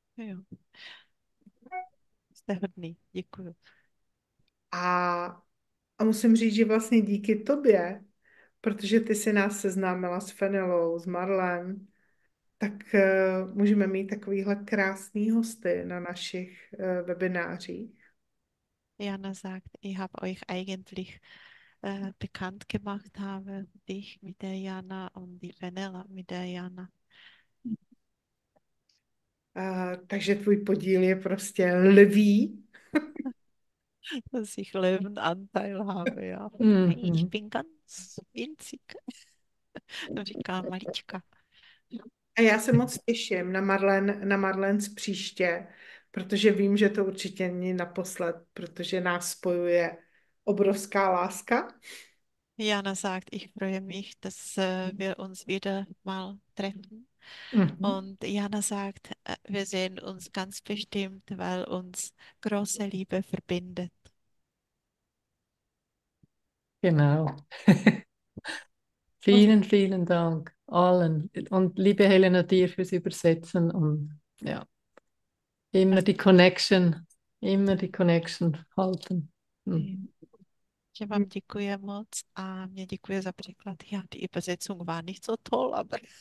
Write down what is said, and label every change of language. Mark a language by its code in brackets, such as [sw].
[cs] Jo. Jste hodný, děkuju. A musím říct, že vlastně díky tobě, protože ty jsi nás seznámila s Fenelou, s Marlen, tak můžeme mít takovýhle krásný hosty na našich webinářích. [de] Jana sagt, ich habe euch eigentlich bekannt gemacht habe, dich mit der Jana und die Fenella mit der Jana. [cs] Takže tvůj podíl je prostě lví. [de] Dass ich Löwenanteil habe, ja. Ich bin ganz winzig, [cs] říká A já se moc těším na Marlen z příště, protože vím, že to určitě není naposled, protože nás spojuje obrovská láska. [de] Jana sagt, ich freue mich, dass wir uns wieder mal treffen. Und Jana sagt, wir sehen uns ganz bestimmt, weil uns große Liebe verbindet. Genau. Vielen, vielen Dank. allen. Und liebe Helena dir fürs Übersetzen und ja, immer die Connection halten. [cs] Já vám děkuji moc a mě děkuji za příklad. [de] Já, die Übersetzung war nicht so toll, aber...